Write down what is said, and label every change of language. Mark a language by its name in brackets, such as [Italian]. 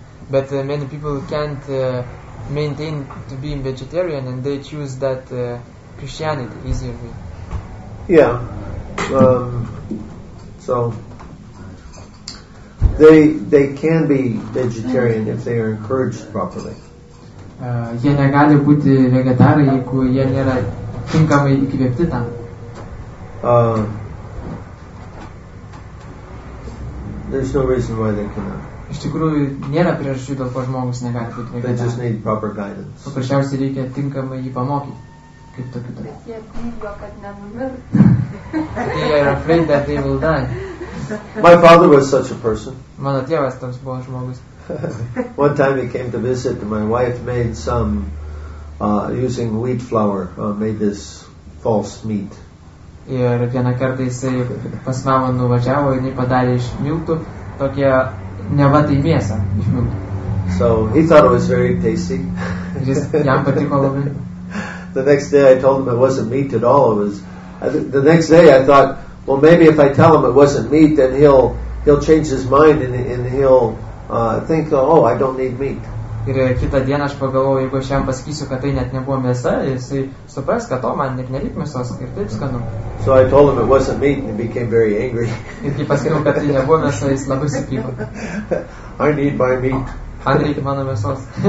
[English] But many people can't maintain to be vegetarian and they choose that Christianity easier way. Yeah. So they can be vegetarian if they are encouraged properly. [Lithuanian] Jie negali būti vegetarai, jeigu jie nėra tinkamai įkvėpti tam. [English] There's no reason why they cannot. [Lithuanian] Iš tikrųjų, nėra priežasčių, dėl ko žmogus negali būti vegetarai. [English] They just need proper guidance. [Lithuanian] Paprasčiausiai reikia tinkamai jį pamokyti, kaip tokiu tai. Bet jie bijo, kad nenumirtų. [English] They are afraid that they will die. My father was such a person. [Lithuanian] Mano tėvas toks buvo žmogus. [English] One time he came to visit and my wife made some using wheat flour made this false meat. [Lithuanian] Ir vieną kartą jisai pas mamą nuvažiavo ir jį padarė iš miltų tokią nevatai mėsą iš miltų. [English] So he thought it was very tasty. [Lithuanian] Jis jam patiko labai. [English] The next day I told him it wasn't meat at all. The next day I thought, well, maybe if I tell him it wasn't meat, then he'll change his mind and he'll think, oh, I don't need meat. [Lithuanian] Ir kitą dieną aš pagalvojau, jeigu aš jam pasakysiu, kad tai net nebuvo mėsa, jisai supras, kad to man ir nereik mėsos, ir taip skanu. [English] So I told him it wasn't meat and he became very angry. [Lithuanian] Ir kai pasakiau, kad tai nebuvo mėsa, jis labai supyko. [English] I need my meat. [Lithuanian] Man reikia mano mėsos.